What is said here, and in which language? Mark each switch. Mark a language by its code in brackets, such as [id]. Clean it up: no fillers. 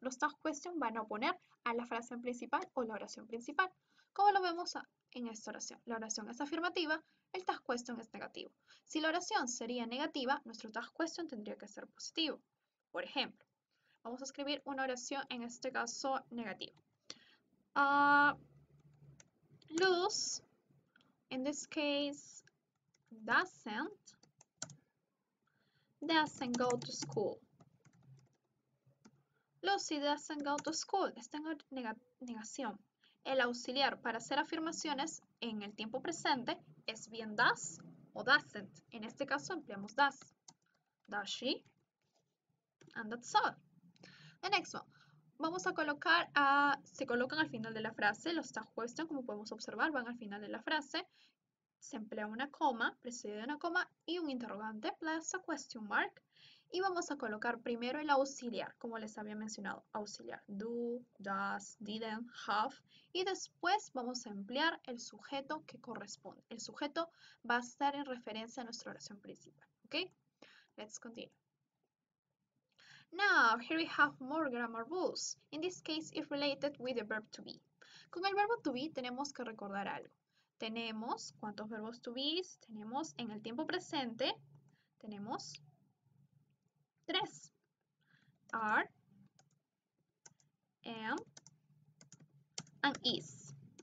[es] Los task question van a oponer a la frase principal o la oración principal. ¿Cómo lo vemos en esta oración? La oración es afirmativa, el task question es negativo. Si la oración sería negativa, nuestro task question tendría que ser positivo. Por ejemplo, vamos a escribir una oración en este caso negativa. [en] Luz, in this case, doesn't go to school. Lucy doesn't go to school. [es] Está en negación. El auxiliar para hacer afirmaciones en el tiempo presente es bien does o doesn't. En este caso empleamos [en] does. Does she? And that's all. The next one. [es] Vamos a colocar a... Se colocan al final de la frase. Los task question, como podemos observar, van al final de la frase. Se emplea una coma, precedida de una coma, y un interrogante, [en] plus a question mark. [es] Y vamos a colocar primero el auxiliar, como les había mencionado, auxiliar. Do, does, didn't, have. Y después vamos a emplear el sujeto que corresponde. El sujeto va a estar en referencia a nuestra oración principal. [en] ¿Ok? Let's continue. Now, here we have more grammar rules. In this case, it's related with the verb to be. [es] Con el verbo to be tenemos que recordar algo. Tenemos, ¿cuántos verbos to be? Tenemos en el tiempo presente, tenemos tres. [en] Are, am, and is.